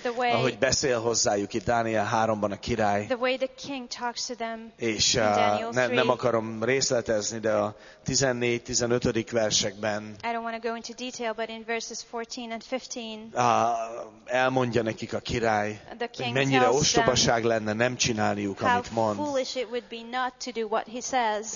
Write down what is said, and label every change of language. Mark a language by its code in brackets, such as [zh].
[hu] Ahogy beszél hozzájuk itt Dániel 3-ban a király. [en] The way the king talks to them. [hu] És nem akarom részletezni, de a 14-15. Versekben. [en] I don't want to go into detail, but in verses 14 and 15. [hu] Elmondja nekik a király, hogy mennyire ostobaság lenne nem csinálniuk, amit mond. [en] How foolish it would be not to do what he says.